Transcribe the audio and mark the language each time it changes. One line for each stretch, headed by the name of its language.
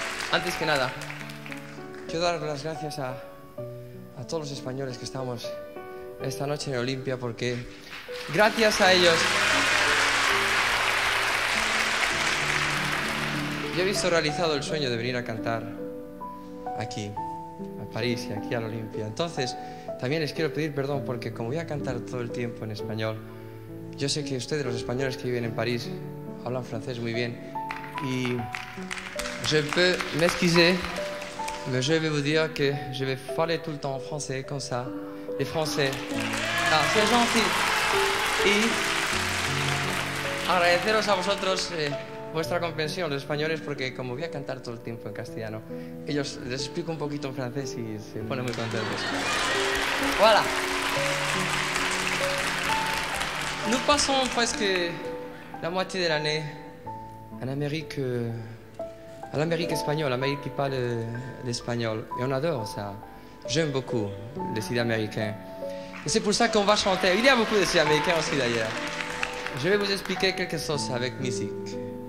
Spanish: Antes que nada, quiero dar las gracias a todos los españoles que estamos esta noche en Olimpia, porque gracias a ellos yo he visto realizado el sueño de venir a cantar aquí, a París y aquí a la Olimpia. Entonces, también les quiero pedir perdón porque como voy a cantar todo el tiempo en español, yo sé que ustedes, los españoles que viven en París, hablan francés muy bien y
French: je peux m'excuser. Mais je vais vous dire que je vais parler tout le temps en français, comme ça. Les Français. Ah, c'est gentil.
Spanish: Y agradeceros a vosotros vuestra comprensión, los españoles, porque como voy a cantar todo el tiempo en castellano, ellos les explico un poquito en francés y se ponen muy contentos.
French: Voilà. Nous passons presque la moitié de l'année en Amérique. À l'Amérique espagnole, l'Amérique qui parle l'espagnol. Et on adore ça. J'aime beaucoup les Sud-Américains. Et c'est pour ça qu'on va chanter. Il y a beaucoup de Sud-Américains aussi d'ailleurs. Je vais vous expliquer quelque chose avec musique.